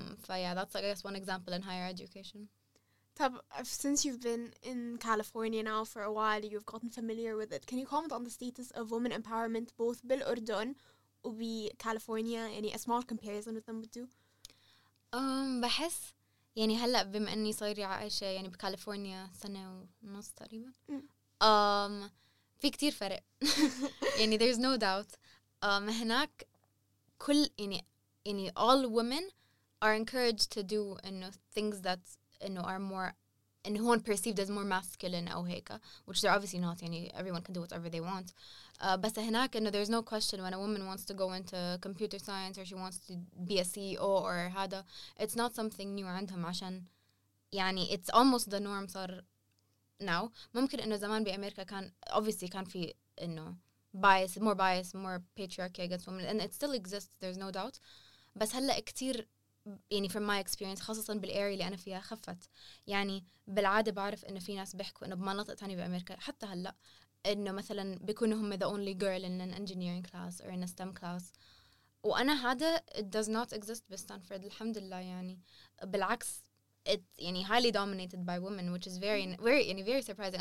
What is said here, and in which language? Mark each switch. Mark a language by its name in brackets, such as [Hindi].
[English] Yeah, that's I guess one example in higher education. طب, since you've been in California now for a while, you've gotten familiar with it. Can you comment on the status of women empowerment both [Arabic] بالأردن وبي [English] California? Any a small comparison with them would do. [Arabic] بحس يعني هلا بما إني صار عايشة يعني بكاليفورنيا سنة ونص تقريبا. في كتير فرق. [English] يعني there's no doubt. [Arabic] هناك كل يعني [English] all women are encouraged to do things that are more who aren't perceived as more masculine [Arabic] أو هيك, [English] which they're obviously not. يعني everyone can do whatever they want. [Arabic] بس هناك [English] there's no question when a woman wants to go into computer science or she wants to be a CEO or هذا, it's not something new [Arabic] عندهم عشان يعني [English] it's almost the norm صار now. [Arabic] ممكن زمان بأمريكا كان [English] obviously [Arabic] كان في [English] bias more patriarchy against women and it still exists, there's no doubt. [Arabic] بس هلا كتير يعني [English] from my experience [Arabic] خاصة بالأري اللي أنا فيها خفت. يعني بالعادة بعرف إنه في ناس بيحكوا إنه بمناطق تانية بأمريكا حتى هلا إنه مثلا بيكونوا هم [English] the only girl in an engineering class or in a STEM class, [Arabic] وأنا هذا [English] it does not exist [Arabic] بستانفورد الحمد لله. يعني بالعكس [English] it يعني highly dominated by women which is very يعني very surprising.